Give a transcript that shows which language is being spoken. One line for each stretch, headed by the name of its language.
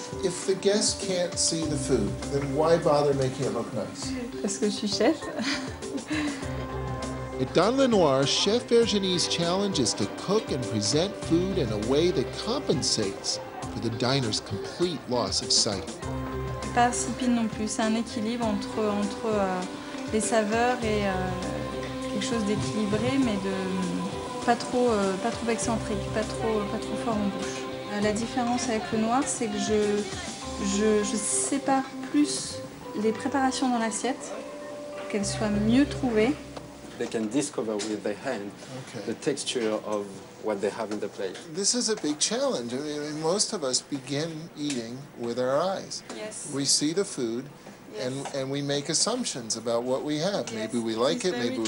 English: If the guest can't see the food, then why bother making it look nice?
French: Parce que je suis chef.
English: At Don Le Noir, Chef Virginie's challenge is to cook and present food in a way that compensates for the diner's complete loss of sight.
French: Pas si pile non plus, c'est un équilibre entre les saveurs et quelque chose d'équilibré, mais de pas trop excentrique, pas trop fort en bouche. La différence avec le noir, c'est que je sépare plus les préparations dans l'assiette, qu'elles soient mieux trouvées.
English: They can discover with their hand the texture of what they have in the plate. This is a big challenge. I mean, most of us begin eating with our eyes. Yes. We see the food and we make assumptions about what we have. Yes. Maybe we like it's it, maybe difficult.